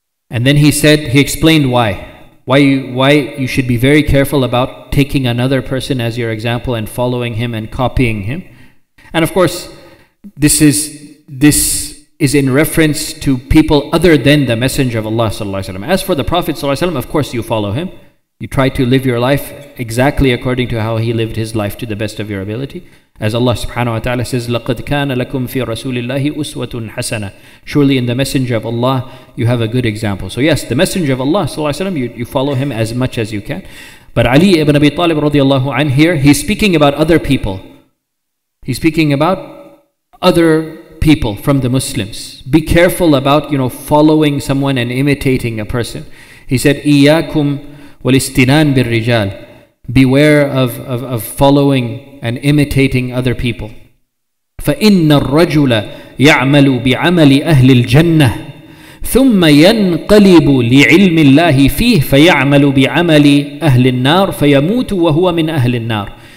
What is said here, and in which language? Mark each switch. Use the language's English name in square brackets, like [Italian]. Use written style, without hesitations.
[English] And then he said, he explained why. Why you should be very careful about taking another person as your example and following him and copying him. And of course, this is in reference to people other than the Messenger of Allah sallallahu alaihi wasallam. As for the Prophet sallallahu alaihi wasallam, of course you follow him. You try to live your life exactly according to how he lived his life to the best of your ability. As Allah subhanahu wa ta'ala says, [Arabic] لَقَدْ كَانَ لَكُمْ فِي رَسُولِ اللَّهِ أُسْوَةٌ حَسَنَةٌ. [English] Surely in the Messenger of Allah, you have a good example. So yes, the Messenger of Allah sallallahu alayhi wa sallam, you follow him as much as you can. But Ali ibn Abi Talib radiallahu anhu here, he's speaking about other people. He's speaking about other people from the Muslims. Be careful about, you know, following someone and imitating a person. He said, [Arabic] إِيَّاكُمْ وَالِاسْتِنَانْ بِالرِّجَالِ. [English] Beware of following and imitating other people. [Arabic] فَإِنَّ الرَّجُلَ يَعْمَلُ بِعَمَلِ أَهْلِ الْجَنَّةِ ثُمَّ يَنْقَلِبُ لِعِلْمِ اللَّهِ فِيهِ فَيَعْمَلُ بِعَمَلِ أَهْلِ النَّارِ فَيَمُوتُ وَهُوَ مِنْ أَهْلِ النَّارِ.